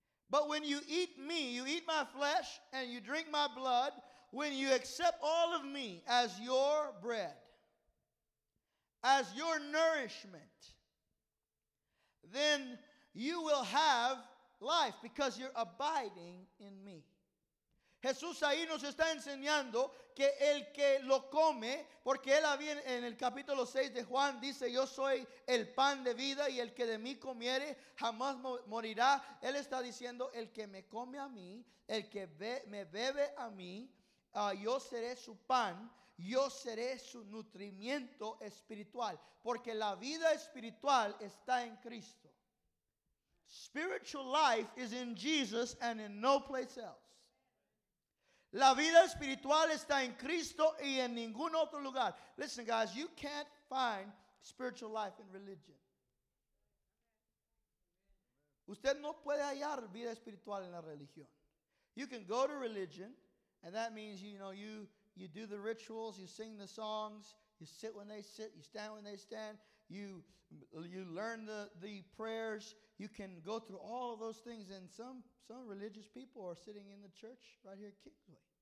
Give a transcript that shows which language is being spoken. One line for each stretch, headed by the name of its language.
English: But when you eat me, you eat my flesh and you drink my blood, when you accept all of me as your bread, as your nourishment, then you will have life because you're abiding in me.
Spanish: Jesús ahí nos está enseñando que el que lo come, porque él había en el capítulo 6 de Juan, dice, yo soy el pan de vida y el que de mí comiere jamás morirá. Él está diciendo, el que me come a mí, el que me bebe a mí, yo seré su pan, yo seré su nutrimiento espiritual, porque la vida espiritual está en Cristo.
English: Spiritual life is in Jesus and in no place else.
Spanish: La vida espiritual está en Cristo y en ningún otro lugar.
English: Listen, guys, you can't find spiritual life in religion.
Spanish: Usted no puede hallar vida espiritual en la religión.
English: You can go to religion, and that means, you know, you do the rituals, you sing the songs, you sit when they sit, you stand when they stand, you learn the prayers, you can go through all of those things, and some religious people are sitting in the church right here at Kingsway.